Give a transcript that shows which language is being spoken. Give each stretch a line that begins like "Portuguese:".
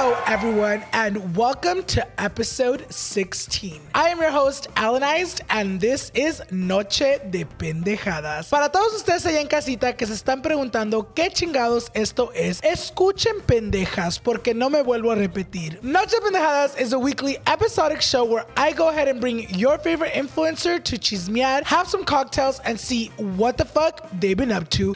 English: Everyone, and welcome to episode 16. I am your host, Alanized, and this is Noche de Pendejadas.
Spanish: Para todos ustedes allá en casita que se están preguntando qué chingados esto es, escuchen pendejas porque no me vuelvo a repetir.
English: Noche de Pendejadas is a weekly episodic show where I go ahead and bring your favorite influencer to chismear, have some cocktails, and see what the fuck they've been up to.